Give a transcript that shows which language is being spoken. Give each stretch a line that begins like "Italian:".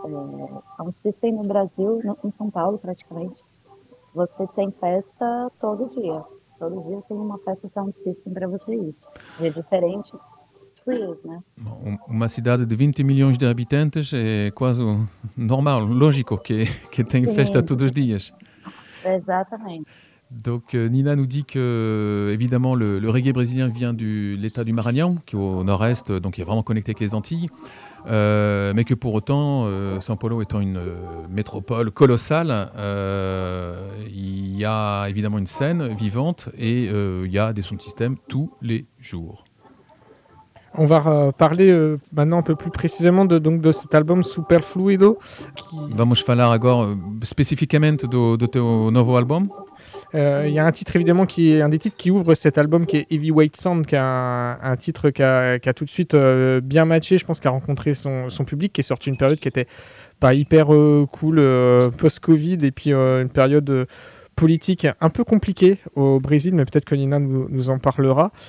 Portuguese: É, sound system no Brasil, no, em São Paulo praticamente, você tem festa todo dia. Todo dia tem uma festa sound system para você ir. De diferentes trios, né? Uma cidade de 20 milhões de habitantes é quase normal, lógico que tem festa todos os dias. Exatamente.
French: Donc Nina nous dit que évidemment le reggae brésilien vient de l'état du Maranhão, qui est au nord-est, donc il est vraiment connecté avec les Antilles, mais que pour autant, São Paulo étant une métropole colossale, il y a évidemment une scène vivante et il y a des sound systems tous les jours. On va parler maintenant un peu plus précisément de cet album Superfluido. Qui...
Portuguese: Vamos falar agora spécificamente do teu novo album.
French: Il y a un titre évidemment qui est un des titres qui ouvre cet album qui est Heavyweight Sound, qui est un titre qui a tout de suite bien matché, je pense, qui a rencontré son public, qui est sorti une période qui était pas hyper cool post-Covid et puis une période politique un peu compliquée au Brésil, mais peut-être que Nina nous en parlera.